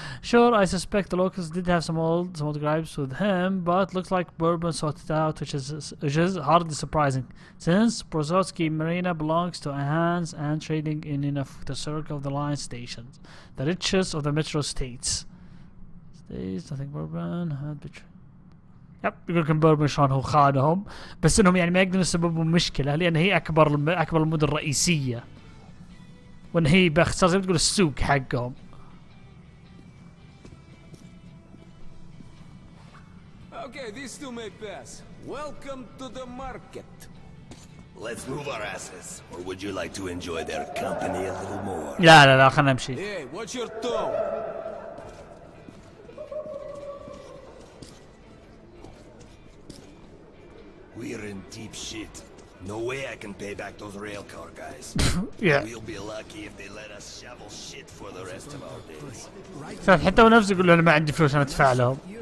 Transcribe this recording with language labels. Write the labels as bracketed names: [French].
[English] Sure, I suspect the locals did have some old gripes with him, but looks like Bourbon sorted out, which is hardly surprising. Since Prozorsky Marina belongs to Ahans and trading in the circle of the line stations, the richest of the metro states. States, I think Bourbon had betrayed. [Arabic] يب يقول لكم بيرمن شلون هو خانهم، بس انهم يعني ما يقدرون يسببون مشكله لان هي اكبر المدن الرئيسيه، وان هي باختصار زي ما تقول السوق حقهم. [English] Okay, these two may pass. Welcome to the market. Let's move our asses. Or would you like to enjoy their company a little more? [Arabic] لا لا لا خلنا نمشي. [English] Hey, watch your tone. We're in deep shit. No way I can pay back those railcar guys. Yeah. We'll be lucky if they let us shovel shit for the rest of our days. [Arabic] حتى هو نفسه يقول له أنا ما عندي فلوس أنا أدفع لهم.